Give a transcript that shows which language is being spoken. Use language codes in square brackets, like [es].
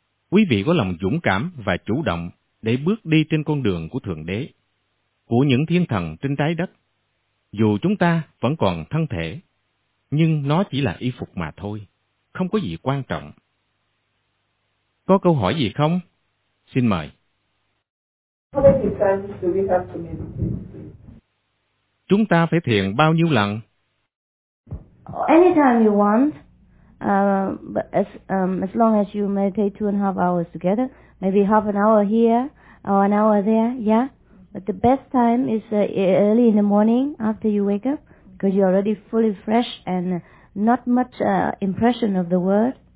[vi] Quý vị có lòng dũng cảm và chủ động để bước đi trên con đường của Thượng Đế. Của những thiên thần trên trái đất, dù chúng ta vẫn còn thân thể, nhưng nó chỉ là y phục mà thôi, không có gì quan trọng. Có câu hỏi gì không? Xin mời. [en] How many times do we have to meditate? [vi] Chúng ta phải thiền bao nhiêu lần? [en] Anytime you want, but as long as you meditate 2.5 hours together, maybe half an hour here or an hour there, yeah? But the best time is early in the morning after you wake up, because you're already fully fresh and not much impression of the world.